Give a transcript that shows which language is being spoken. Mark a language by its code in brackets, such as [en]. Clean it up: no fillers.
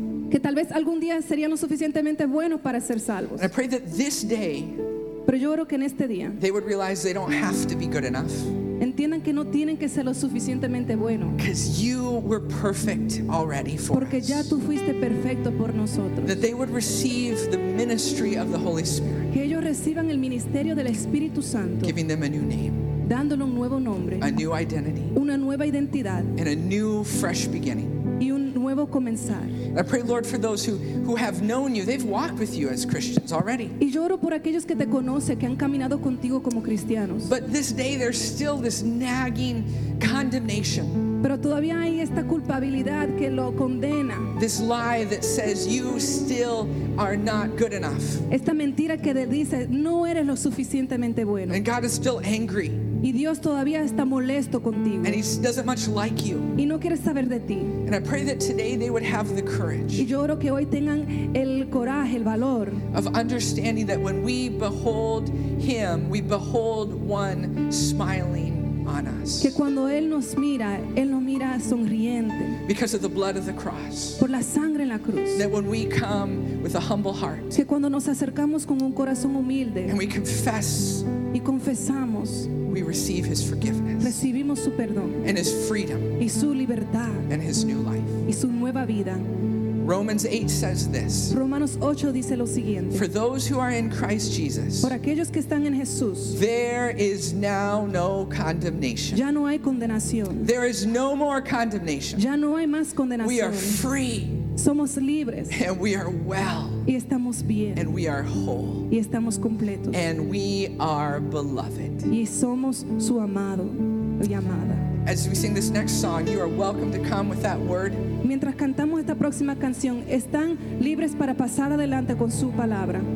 [es] Que tal vez algún día serían lo suficientemente buenos para ser salvos. [en] And I pray that this day, [es] pero yo creo que en este día, [en] they would realize they don't have to be good enough. [es] Entiendan que no tienen que ser lo suficientemente bueno. [en] Because you were perfect already for [es] us. Porque ya tú fuiste perfecto por nosotros. [en] That they would receive the ministry of the Holy Spirit. [es] Que ellos reciban el ministerio del Espíritu Santo. [en] Giving them a new name. [es] Dándole un nuevo nombre. [en] A new identity. [es] Una nueva identidad. [en] And a new fresh beginning. [es] Y un nuevo comenzar. [en] I pray, Lord, for those who have known you, they've walked with you as Christians already. [es] Y lloro por aquellos que te conoce, que han caminado contigo como cristianos. [en] But this day there's still this nagging condemnation. [es] Pero todavía hay esta culpabilidad que lo condena. [en] This lie that says you still are not good enough. [es] Esta mentira que dice no eres lo suficientemente bueno. [en] And God is still angry. [es] Y Dios todavía está molesto contigo. [en] And he doesn't much like you. [es] Y no quiere saber de ti. [en] And I pray that today they would have the courage. [es] Y yo oro que hoy tengan el coraje, el valor. [en] Of understanding that when we behold him, we behold one smiling. [es] Que cuando él nos mira, él nos mira sonriente. [en] Because of the blood of the cross. [es] Por la sangre en la cruz. [en] That when we come with a humble heart. [es] Que cuando nos acercamos con un corazón humilde. [en] And we confess. [es] Y confesamos. [en] We receive his forgiveness. [es] Recibimos su perdón. [en] And his freedom. [es] Y su libertad. [en] And his new life. [es] Y su nueva vida. [en] Romans 8 says this. [es] Romanos 8 dice lo siguiente. [en] For those who are in Christ Jesus, [es] por aquellos que están en Jesús, [en] there is now no condemnation. [es] Ya no hay condenación. [en] There is no more condemnation. [es] Ya no hay más condenación. [en] We are free. [es] Somos libres. [en] And we are well. [es] Y estamos bien. [en] And we are whole. [es] Y estamos completos. [en] And we are beloved. [es] Y somos su amado y amada. [en] As we sing this next song, you are welcome to come with that word. [es] Mientras cantamos esta próxima canción, están libres para pasar adelante con su palabra.